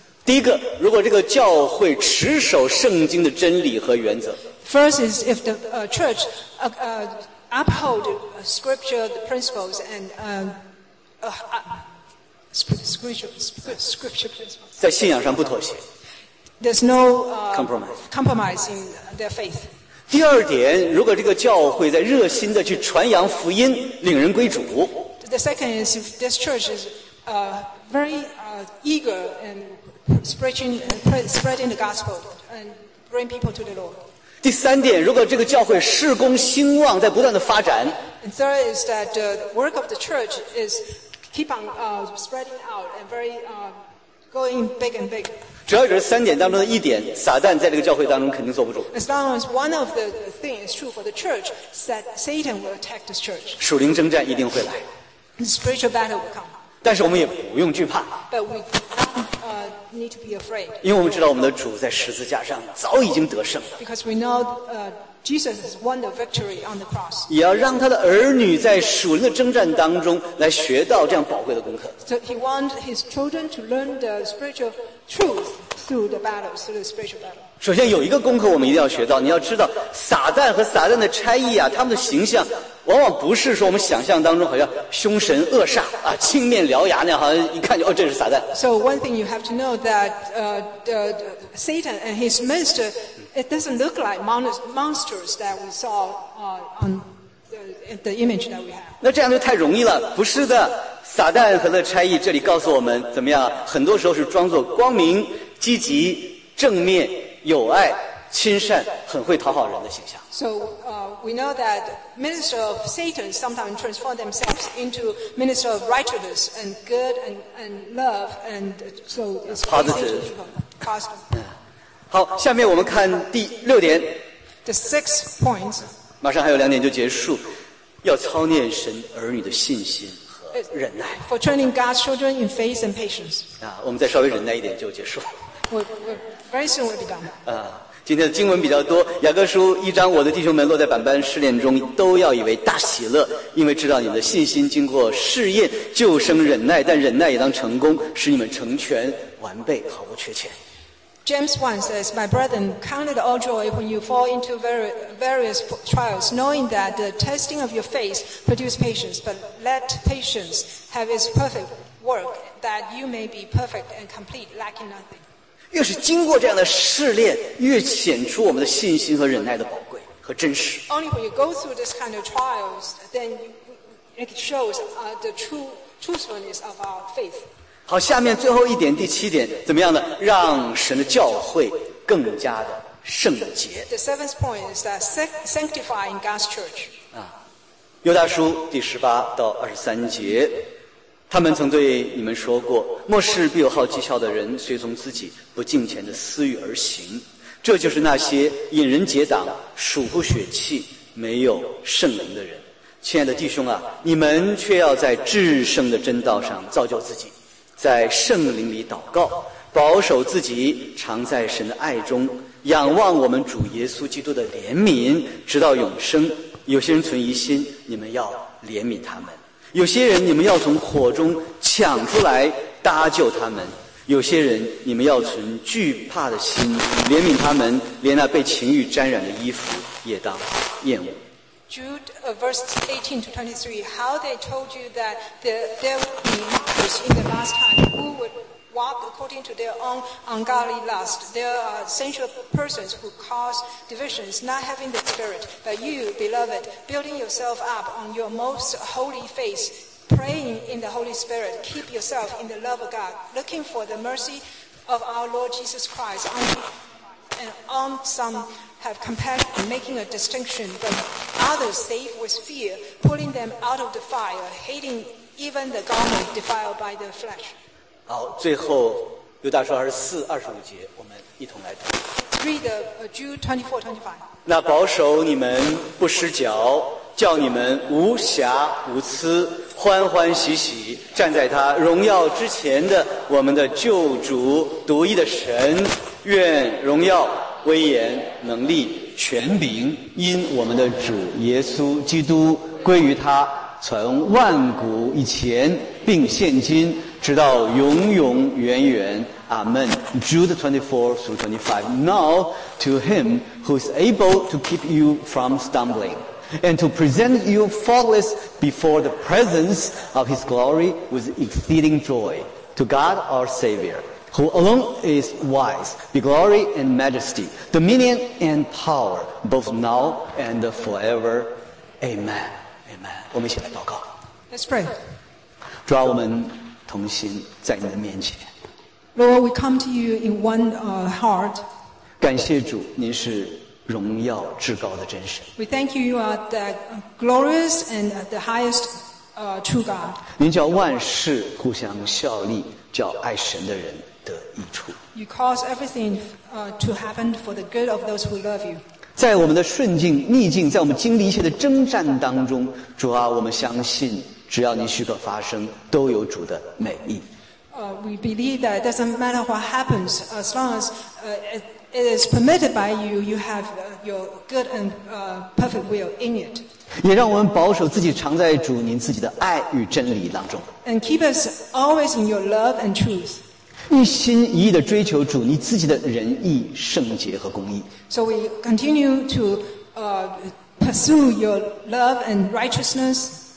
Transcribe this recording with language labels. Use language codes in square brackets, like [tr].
[zh] 第一个，如果这个教会持守圣经的真理和原则。 [en] First is if the church uphold scripture principles and scripture principles. [zh] 在信仰上不妥协。 [en] There's no compromise in their faith. [zh] 第二点，如果这个教会在热心的去传扬福音，领人归主。 [en] The second is if this church is very eager and spreading the gospel and bring people to the Lord. [zh] 第三点，如果这个教会事工兴旺，在不断的发展。 [en] And third is that the work of the church is. Keep on spreading out and going big and big. [zh] 主要就是三点当中的一点，撒旦在这个教会当中肯定坐不住。 [en] As long as one of the things is true for the church, that Satan will attack this church. [zh] 属灵征战一定会来。 [en] The spiritual battle will come. [zh] 但是我们也不用惧怕。 [en] But we need to be afraid. [zh] 因为我们知道我们的主在十字架上早已经得胜了。 [en] Because we know Jesus has won the victory on the cross. [zh] 也要让他的儿女在属灵的征战当中来学到这样宝贵的功课。 [en] So he wants his children to learn the spiritual truth through the battles, through the spiritual battle. [zh] 首先有一个功课我们一定要学到，你要知道撒旦和撒旦的差役啊，他们的形象往往不是说我们想象当中好像凶神恶煞啊，青面獠牙那样，好像一看就哦，这是撒旦。 [en] So one thing you have to know that Satan and his minister, it doesn't look like monsters that we saw on the image that we have. [zh] 那这样就太容易了，不是的。撒旦和他的差役这里告诉我们怎么样，很多时候是装作光明、积极、正面、友爱、亲善、很会讨好人的形象。 [en] So, we know that minister of Satan sometimes transform themselves into minister of righteousness and good and love and so it's positive. Positive. [zh] 好，下面我们看第六点。 [en] The sixth point. [zh] 马上还有两点就结束，要操练神儿女的信心和忍耐。 [en] For training God's children in faith and patience. [zh] 啊，我们再稍微忍耐一点就结束。 [en] Very soon will be done. [zh] 今天的经文比较多，雅各书一章，我的弟兄们落在百般试炼中，都要以为大喜乐，因为知道你们的信心经过试验，就生忍耐，但忍耐也当成功，使你们成全完备，毫无缺欠。 [en] James 1 says, My brethren, count it all joy when you fall into various trials, knowing that the testing of your faith produces patience, but let patience have its perfect work, that you may be perfect and complete, lacking nothing. [zh] 越是经过这样的试炼，越显出我们的信心和忍耐的宝贵和真实。 [en] Only when you go through this kind of trials, then it shows the truthfulness of our faith. [zh] 好，下面最后一点，第七点，怎么样呢？让神的教会更加的圣洁。 [en] The seventh point is that sanctifying God's church. [zh] 犹大书第十八到二十三节。他们曾对你们说过，末世必有好讥诮的人，随从自己不敬虔的私欲而行，这就是那些引人结党、属乎血气、没有圣灵的人。亲爱的弟兄啊，你们却要在至圣的真道上造就自己，在圣灵里祷告，保守自己常在神的爱中，仰望我们主耶稣基督的怜悯，直到永生。有些人存疑心，你们要怜悯他们，有些人你们要从火中抢出来搭救他们，有些人你们要存惧怕的心怜悯他们，连那被情欲沾染的衣服也当厌恶。 [en] Jude, verse 18 to 23, how they told you that there would be mockers in the last time who would walk according to their own ungodly lust. There are sensual persons who cause divisions, not having the spirit. But you, beloved, building yourself up on your most holy faith, praying in the Holy Spirit, keep yourself in the love of God, looking for the mercy of our Lord Jesus Christ. And on some have compassion, making a distinction, but others save with fear, pulling them out of the fire, hating even the garment defiled by the flesh. [zh] 好，最后犹大书二十四、二十五节，我们一同来读。 [en] Read Jude 24-25. [zh] 那保守你们不失脚，叫你们无瑕无疵，欢欢喜喜站在他荣耀之前的我们的救主独一的神，愿荣耀、威严、能力、权柄，因我们的主耶稣基督归于他，从万古以前，并现今。直到永永远远，阿门。 [en] Jude 24-25. Now to him who is able to keep you from stumbling and to present you faultless before the presence of his glory with exceeding joy, to God our Savior, who alone is wise, be glory and majesty, dominion and power, both now and forever. Amen. Amen. [zh] 我们一起来祷告。 [en] Let's pray. [zh] 主啊，我们同心在你的面前。 [en] Lord, we come to you in one heart. [zh] 感谢主，您是荣耀至高的真神。 [en] We thank you, you are the glorious and the highest true God. [zh] 您叫万事互相效力，叫爱神的人得益处。 [en] You cause everything to happen for the good of those who love you. [zh] 在我们的顺境、逆境，在我们经历一切的征战当中，主啊，我们相信只要您许可发生，都有主的美意。 [en] We believe that it doesn't matter what happens, as long as it is permitted by you, you have your good and perfect will in it. [zh] 也让我们保守自己常在主您自己的爱与真理当中。 [en] And keep us always in your love and truth. [zh] 一心一意地追求主你自己的仁义圣洁和公义。 [en] So we continue to pursue your love and righteousness.